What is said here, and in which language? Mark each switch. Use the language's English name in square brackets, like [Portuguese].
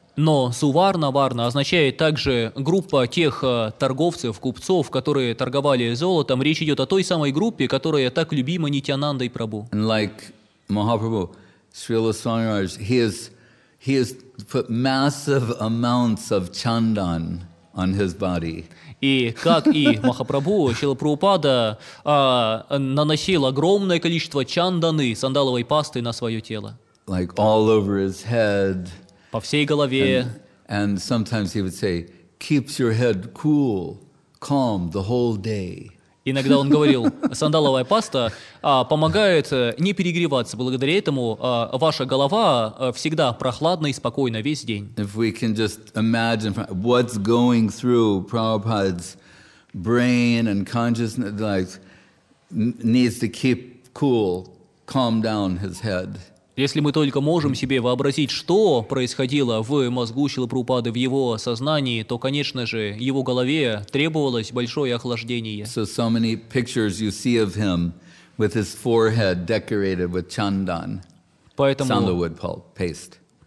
[Russian] Но Suvarna Varna означает также группа тех торговцев, купцов, которые торговали золотом. Речь идет о той самой группе, которая так любима Нитьянандой Прабху. [English] And like Mahaprabhu, Srila Swami Maharaj, he has put massive amounts of chandan on his body. [Russian] И как и Махапрабху, Шрила Прабхупада наносил огромное количество чанданы, сандаловой пасты, на свое тело. [English] Like all over his head. [Russian] По всей голове. [English] And sometimes he would say, keeps your head cool, calm the whole day. [Russian] Иногда он говорил, сандаловая паста помогает не перегреваться. Благодаря этому ваша голова всегда прохладна и спокойна весь день. [English] If we can just imagine what's going through Prabhupada's brain and consciousness, like, needs to keep cool, calm down his head. [Russian] Если мы только можем себе вообразить, что происходило в мозгу Шрилы Прабхупады, в его сознании, то, конечно же, его голове требовалось большое охлаждение. [English] So many pictures you see of him with his forehead decorated with chandan, sandalwood pulp paste.